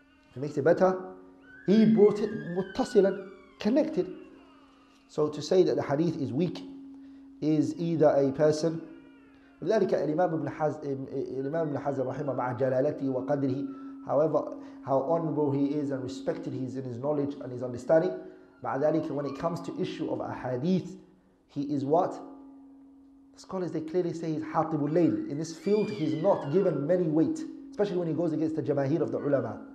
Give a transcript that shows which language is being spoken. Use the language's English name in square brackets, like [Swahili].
[English] If it makes it better, He brought it متصلا, connected. So to say that the hadith is weak is either a person. [Arabic] لذلك الإمام ابن حزم رحمه مع جلالته وقدره. [English] However, how honorable he is and respected he is in his knowledge and his understanding. [Arabic] مع ذلك, [English] when it comes to issue of a hadith, he is what? The scholars they clearly say he's حاطب الليل. In this field, he's not given many weight, especially when he goes against the جماهير of the ulama.